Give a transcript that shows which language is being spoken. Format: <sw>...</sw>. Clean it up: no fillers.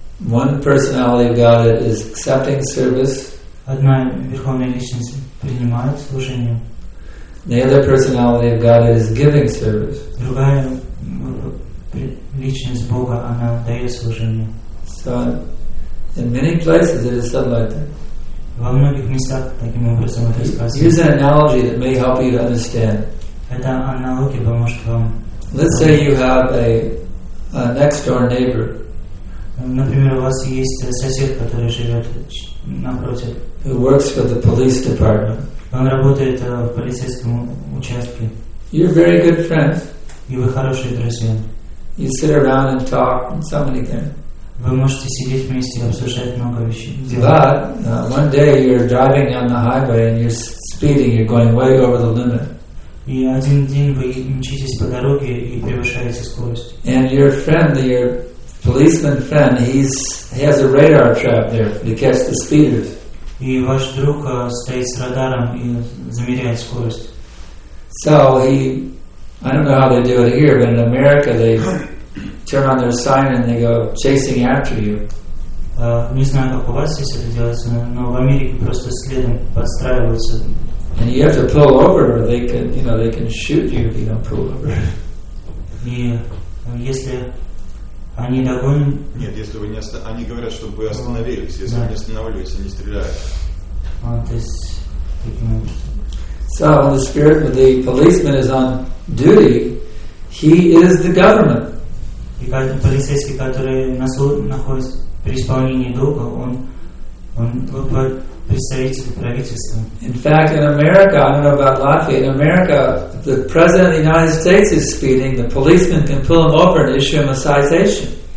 <en>One personality of Godhead is accepting service. The other personality of Godhead is giving service. So in many places it is said like that.</en> <ru>Во многих местах таким образом это сказано.</ru> <en>Use an analogy that may help you to understand.</en> <ru>Эта аналогия поможет вам.</ru> <en>Let's say you have a next door neighbor.</en> <ru>Например, у вас есть сосед, который живет напротив.</ru> <en>He works for the police department.</en> <ru>Он работает в полицейском участке.</ru> <en>You're very good friends.</en> <ru>И вы хорошие друзья.</ru> <en>You sit around and talk and so many things.</en> <ru>Вы можете сидеть вместе и обсуждать много вещей.</ru> <en>But one day you're driving on the highway and you're speeding, you're going way over the limit.</en> <ru>И один день вы мчитесь по дороге и превышаете скорость.</ru> <en>And your friend, your policeman friend, he has a radar trap there to catch the speeders.</en> <ru>И ваш друг стоит с радаром и замеряет скорость.</ru> <en>So I don't know how they do it here, but in America they turn on their siren and they go chasing after you.</en> <ru>Не знаю, как у вас здесь это делается, но в Америке просто следом подстраиваются.</ru> <en>And you have to pull over, or they can, you know, they can shoot you if you don't pull over.</en> <ru>И если они догонят. Нет, если вы не остановились, они говорят, чтобы вы остановились, если вы не останавливаетесь, они стреляют.</ru> <en>So when the spirit of the policeman is on duty, he is the government.</en> <ru>И каждый полицейский, который находится при исполнении долга, он представитель правительства.</ru> <en>In fact, in America, I don't know about Latvia, in America, if the president of the United States is speeding, the policeman can pull him over and issue him a citation.</en>